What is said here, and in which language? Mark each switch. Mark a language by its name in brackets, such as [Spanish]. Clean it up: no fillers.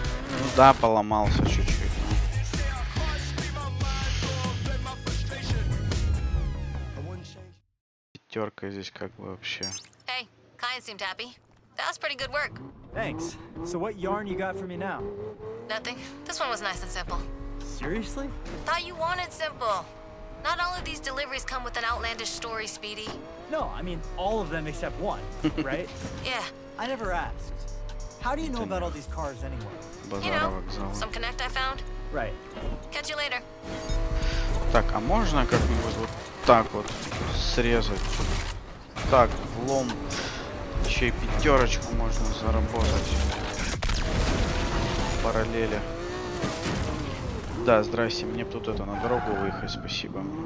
[Russian] Ну да, поломался чуть-чуть. Но... Пятерка здесь как бы вообще. [English] Hey, Kai seemed happy. That was pretty good work. Thanks. So what yarn you got for me now? Nothing. This one was nice and simple. Seriously? I thought you wanted simple. Not all of these deliveries come with an outlandish story, Speedy. No, I mean all of them except one, right? Yeah. I never asked. How do you know about all these cars anyway? You know, some connect I found. Right. Catch you later. [Russian] Так, а можно как-нибудь вот так вот срезать? Так, влом. Еще и пятерочку можно заработать. Параллели. Да, здрасте, мне тут это на дорогу выехать, спасибо.